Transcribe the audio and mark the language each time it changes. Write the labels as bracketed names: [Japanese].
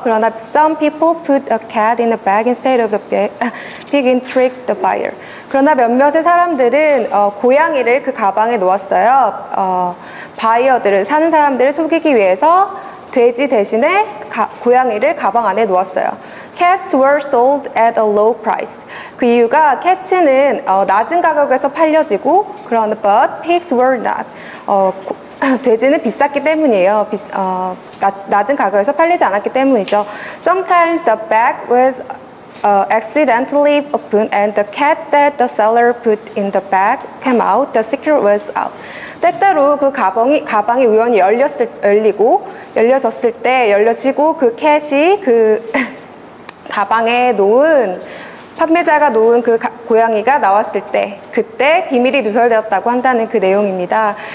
[Korean] 그러나 [English] some people put a cat in a bag instead of the pig and tricked the buyer. [Korean] 그러나 몇몇의 사람들은 고양이를 그 가방에 놓았어요. 바이어들은 사는 사람들을 속이기 위해서 돼지 대신에 고양이를 가방 안에 놓았어요. [English] Cats were sold at a low price. [Korean] 그 이유가 캣츠는 낮은 가격에서 팔려지고 그런 [English] but pigs were not. [Korean] 돼지는 비쌌기 때문이에요. 낮은 가격에서 팔리지 않았기 때문이죠. [English] Sometimes the bag was accidentally opened and the cat that the seller put in the bag came out. The secret was out. [Korean] 때때로 그 가방이 우연히 열려졌을 때 그 캣이 그 가방에 놓은 판매자가 놓은 그 고양이가 나왔을 때 그때 비밀이 누설되었다고 한다는 그 내용입니다.